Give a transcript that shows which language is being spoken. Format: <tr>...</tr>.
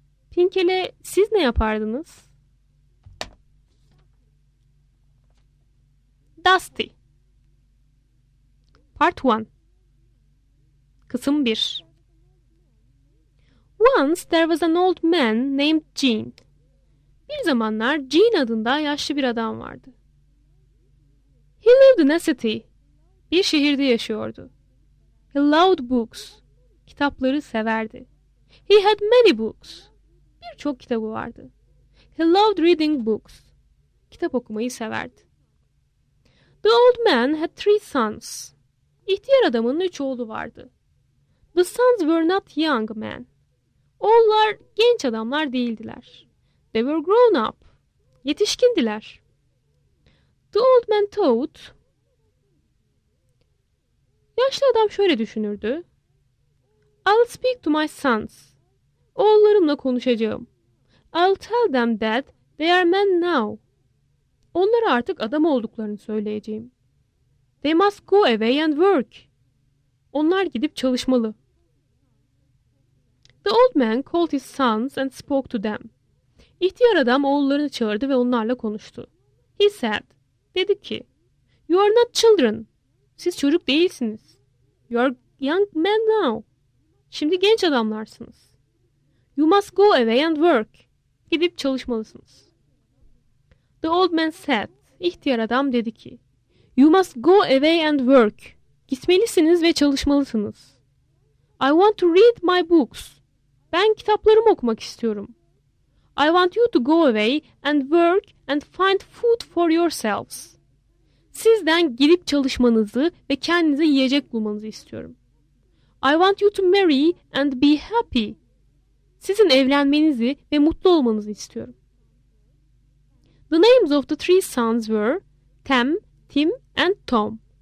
<tr>Pinkel'e siz ne yapardınız?</tr> <en>Dusty. Part 1.</en> <tr>Kısım 1.</tr> <en>Once there was an old man named Gene.</en> <tr>Bir zamanlar Gene adında yaşlı bir adam vardı.</tr> <en>He lived in a city.</en> <tr>Bir şehirde yaşıyordu.</tr> <en>He loved books.</en> <tr>Kitapları severdi.</tr> <en>He had many books.</en> <tr>Birçok kitabı vardı.</tr> <en>He loved reading books.</en> <tr>Kitap okumayı severdi.</tr> <en>The old man had three sons.</en> <tr>İhtiyar adamın 3 oğlu vardı.</tr> <en>The sons were not young men.</en> <tr>Oğullar genç adamlar değildiler.</tr> <en>They were grown up.</en> <tr>Yetişkindiler.</tr> <en>The old man thought.</en> <tr>Yaşlı adam şöyle düşünürdü.</tr> <en>I'll speak to my sons.</en> <tr>Oğullarımla konuşacağım.</tr> <en>I'll tell them that they are men now.</en> <tr>Onlara artık adam olduklarını söyleyeceğim.</tr> <en>They must go away and work.</en> <tr>Onlar gidip çalışmalı.</tr> <en>The old man called his sons and spoke to them.</en> <tr>İhtiyar adam oğullarını çağırdı ve onlarla konuştu.</tr> <en>He said,</en> <tr>dedi ki,</tr> <en>You are not children.</en> <tr>Siz çocuk değilsiniz.</tr> <en>You are young men now.</en> <tr>Şimdi genç adamlarsınız.</tr> <en>You must go away and work.</en> <tr>Gidip çalışmalısınız.</tr> <en>The old man said,</en> <tr>İhtiyar adam dedi ki,</tr> <en>You must go away and work.</en> <tr>Gitmelisiniz ve çalışmalısınız.</tr> <en>I want to read my books.</en> <tr>Ben kitaplarımı okumak istiyorum.</tr> <en>I want you to go away and work and find food for yourselves.</en> <tr>Sizden gidip çalışmanızı ve kendinize yiyecek bulmanızı istiyorum.</tr> <en>I want you to marry and be happy.</en> <tr>Sizin evlenmenizi ve mutlu olmanızı istiyorum.</tr> <en>The names of the three sons were Tam, Tim and Tom.</en>